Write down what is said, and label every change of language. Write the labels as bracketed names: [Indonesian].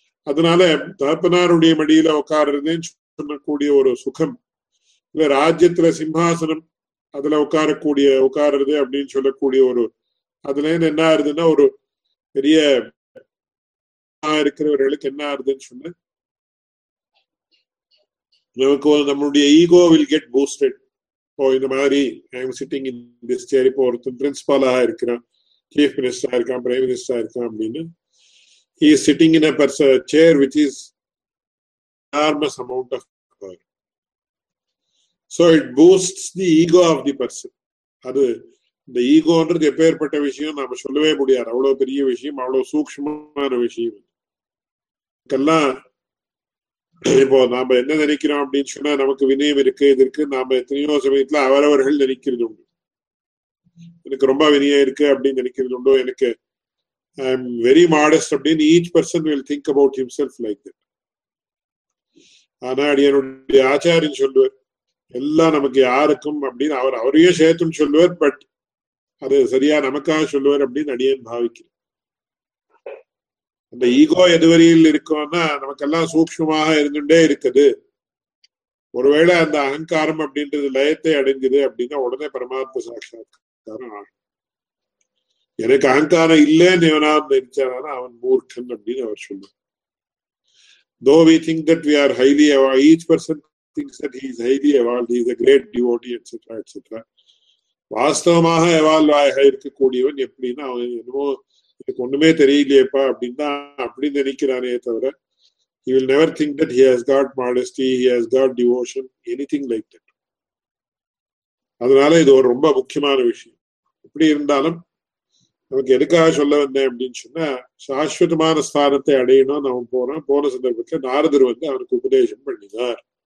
[Tamil] அதனால தகப்பனாருடைய மடியில உட்காருறதுன்னு சொல்லக்கூடிய ஒரு சுகம், இல்ல ராஜ்யத்துல சிம்ஹாசனம் அதுல உட்காரக்கூடிய உட்காருறது அப்படின்னு சொல்லக்கூடிய ஒரு, அதுல என்ன ஆறுதுன்னா ஒரு பெரிய இருக்கிறவர்களுக்கு என்ன ஆறுதுன்னு சொன்ன, நமக்கு நம்மளுடைய [English] Ego will get boosted. [Tamil] இப்போ இந்த மாதிரி [English] I'm sitting in this chair, [Tamil] இப்போ ஒருத்தன் பிரின்சிபலா இருக்கிறான், சீஃப் மினிஸ்டரா இருக்கான், பிரைம் மினிஸ்டரா இருக்கான் அப்படின்னு, [English] He is sitting in a person chair which is enormous amount of power. So it boosts the ego of the person. [Tamil] அது இந்த ஈகோன்றது எப்பேற்பட்ட விஷயம் நாம சொல்லவே முடியாது, அவ்வளவு பெரிய விஷயம், அவ்வளவு சூக்ஷ்மமான விஷயம். இதெல்லாம் இப்போ நாம என்ன நினைக்கிறோம் அப்படின்னு சொன்னா, நமக்கு வினயம் இருக்கு, இது இருக்கு, நாம எத்தனையோ சமயத்துல அவரவர்கள் நினைக்கிறது உண்டு, எனக்கு ரொம்ப வினயம் இருக்கு அப்படின்னு நினைக்கிறது உண்டோ, எனக்கு [English] I am very modest [Tamil] அப்படின்னு [English] Each person will think about himself like that. [Tamil] ஆனா என்னுடைய ஆச்சாரியன் சொல்லுவார், எல்லாம் நமக்கு யாருக்கும் அப்படின்னு அவர் அவரையும் சேர்த்துன்னு சொல்லுவார், பட் அது சரியா நமக்காக சொல்லுவார் அப்படின்னு அடியேன் பாவிக்கிறேன். அந்த ஈகோ எதுவரையில் இருக்கோம்னா, நமக்கெல்லாம் சூக்ஷ்மமாக இருந்துட்டே இருக்குது, ஒருவேளை அந்த அகங்காரம் அப்படின்றது லயத்தை அடைஞ்சுது அப்படின்னா உடனே பரமாத்ம சாட்சாத்காரம் ஆகும். எனக்கு அகங்காரம் இல்லைன்னு இவனா நினைச்சானா அவன் மூர்க்கன் அப்படின்னு அவர் சொல்லுவார். [English] Though we think that we are highly evolved, each person thinks that he is highly evolved, he is a great devotee, etc., etc. [Tamil] வாஸ்தவமாக எவால்வாக இருக்கக்கூடியவன் எப்படின்னா, அவன் என்னவோ எனக்கு ஒண்ணுமே தெரியலையப்பா அப்படின்னா அப்படி நினைக்கிறானே தவிர, [English] he will never think that he has got modesty, he has got devotion, anything like that. [Tamil] அதனால இது ஒரு ரொம்ப முக்கியமான விஷயம். எப்படி இருந்தாலும் நமக்கு எதுக்காக சொல்ல வந்தேன் அப்படின்னு சொன்னா, சாஸ்வதமான ஸ்தானத்தை அடையணும்னு அவன் போறான், போன சந்தர்ப்பத்துல நாரதர் வந்து அவனுக்கு உபதேசம் பண்ணினார்.